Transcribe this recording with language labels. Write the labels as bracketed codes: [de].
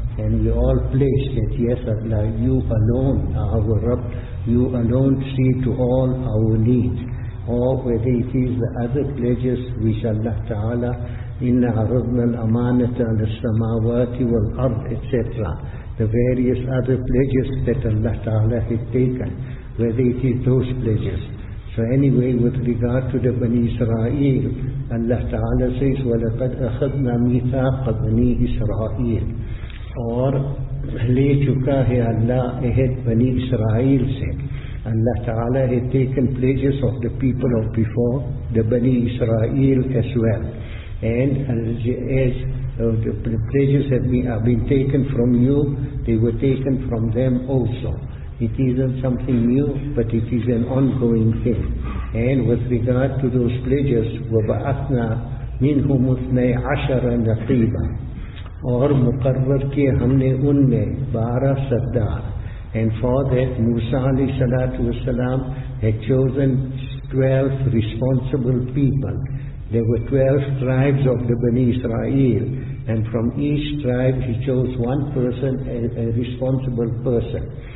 [en] And we all pledged that, "Yes Allah, you alone are our Rabb, you alone see to all our needs." Or whether it is the other pledges which Allah Ta'ala, [ar] "Inna aradna al-amanata al-samawati wal-ard," [en] etc. The various other pledges that Allah Ta'ala had taken, whether it is those pledges. So anyway, with regard to the Bani Israel, Allah Ta'ala says, [ar] وَلَقَدْ أَخَذْنَا مِثَاقَ بَنِي إِسْرَائِيلَ, [en] or [ur] لے چکا ہے اللہ عہد بنی اسرائیل سے. [en] Allah Ta'ala had taken pledges of the people of before, the Bani Israel as well. And as the pledges have been taken from you, they were taken from them also. It isn't something new, but it is an ongoing thing. And with regard to those pledges, [ar] وَبَعَثْنَا مِنْهُمُ اثْنَيْ عَشَرَ نَقِيبًا, [ur] اور مقرر کے ہم نے ان میں 12 سردار. [en] And for that, Musa alayhi salatu wasalam had chosen 12 responsible people. There were 12 tribes of the Bani Israel, and from each tribe he chose one person, a responsible person.